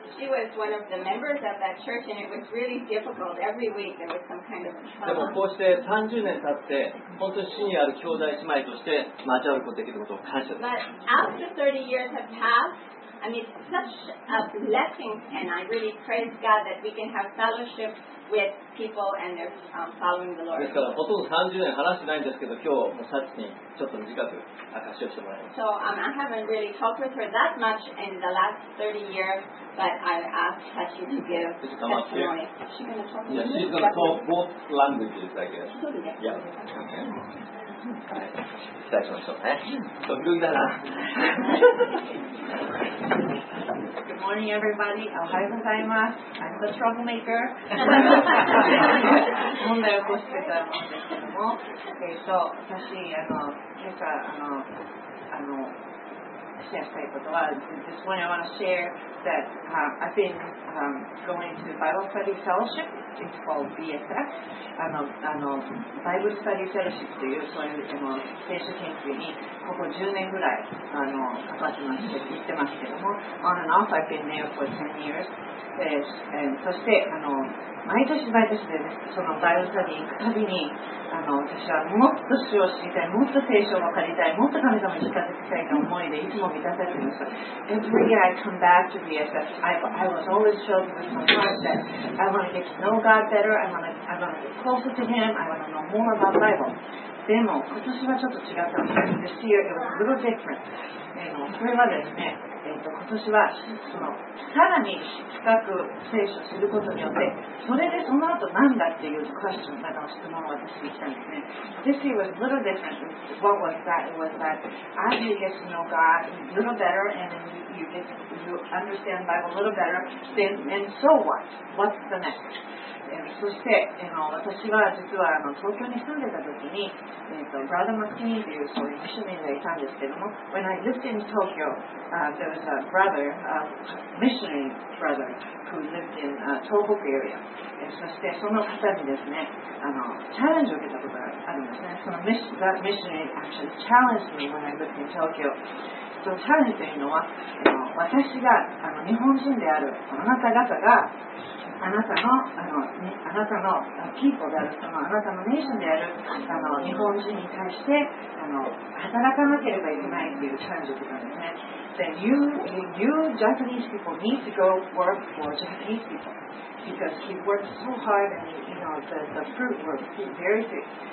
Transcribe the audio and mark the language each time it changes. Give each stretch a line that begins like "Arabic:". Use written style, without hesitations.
English: She was one of the members of that church, and it was really difficult every week. There was some kind of trouble.
Japanese: でもこうして30年経って本当に主にある兄弟姉妹として交わることができることを感謝です。
English: But after 30 years have passed, I mean, such a blessing, and I really praise God that we can have fellowship with people and they're following the Lord.
Japanese: ですからほとんど30年話してないんですけど、今日もさっきにちょっと短く証しをしてもらいます。
English: So I haven't really talked with her that much in the last 30 years, but I asked Sachi to give testimony. She's going to talk both languages, I guess. Yeah. Okay.
Japanese: はい、期待しましょうね。ドキドキだな。
English: Good morning, everybody.
Japanese: おはようございます。
English: I'm the troublemaker.
Japanese: 問題を起こしてたんですけども、私、今朝、シェアしたいことは、
English: This morning I want to share that I've been going to Bible Study Fellowship. It's called BSF.
Japanese: Bible Study Fellowship という、そういう、聖書研究にここ10年ぐらい、かかってまして、行ってますけども、
English: on and off, I've been there for 10 years.
Japanese: そして、毎年毎年で、そのバイブルスタディ行くたびに、私はもっと主を知りたい、もっと聖書を分かりたい、もっと神様に近づきたいと思いで、いつも満たされていました。
English: Every year I come back to BSF, I was always filled with my heart that I want to get to know God better, I want to get closer to Him, I want to know more about the Bible.
Japanese: でも、今年はちょっと違ったんです。
English: This year it was a little different.
Japanese: それはですね、今年はそのさらに深く聖書することによってそれでその後何だっていうクエスチョンなどの質問を私にしたんですね。
English: This year was a little different. What was that? It was that as you get to know God a little better and you understand the Bible a little better, then and so what? What's the next?
Japanese: そして私は実は東京に住んでた時に、ブラザー・マッキニーというそういうミッショナリーがいたんですけども、
English: When I lived in Tokyo, there was a brother, a missionary brother, who lived in a 東北 area.
Japanese: そしてその方にですね、チャレンジを受けたことがあるんですね。
English: その that missionary actually challenged me when I lived in Tokyo.
Japanese: そのチャレンジというのは、私が日本人であるあなた方が、あなたの people であるあなたのネーションである日本人に対して働かなければいけないというチャレンジなんですね。
English: Then you Japanese people need to go work for Japanese people because he worked so hard and the fruit was very good.